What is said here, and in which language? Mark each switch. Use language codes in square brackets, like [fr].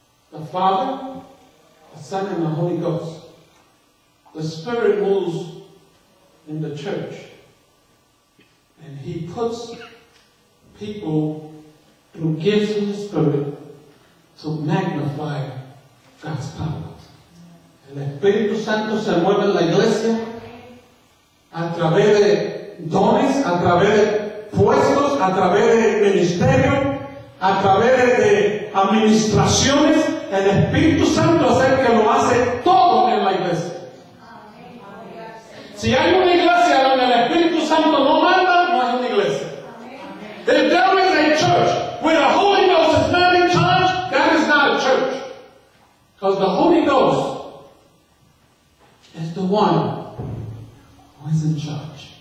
[en] The Father, the Son, and the Holy Ghost. The Spirit moves in the church, and He puts people through gifts of the Spirit to magnify God's power. [es] El Espíritu Santo se mueve en la iglesia a través de dones, a través de puestos, a través de ministerio, a través de administraciones. El Espíritu Santo es el que lo hace todo en la iglesia. Si hay una iglesia donde el Espíritu Santo no manda, no es una iglesia. [en] If there is a church where the Holy Ghost is not in charge, that is not a church. Because the Holy Ghost is the one who is in charge.